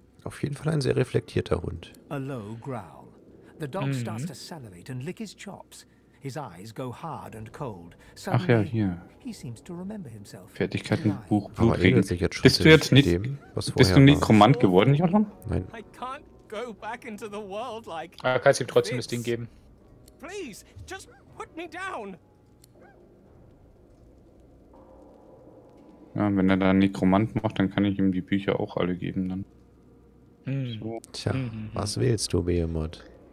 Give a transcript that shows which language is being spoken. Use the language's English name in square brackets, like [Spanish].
[German] Auf jeden Fall ein sehr reflektierter Hund. [English] A low growl. The dog starts to salivate and lick his chops. His eyes go hard and cold. [German] Suddenly, ach ja, hier. [English] He seems to remember himself. [German] Fertigkeitenbuch. Bist du jetzt nicht dem, was bist du Nekromant geworden, Jolan? Nein. [English] I can't go back into the world like this. [German] Kannst du ihm trotzdem das Ding geben. [English] Please, just put me down. [German] Ja, wenn er da Nekromant macht, dann kann ich ihm die Bücher auch alle geben dann. So. Tja, was willst du, Behemoth?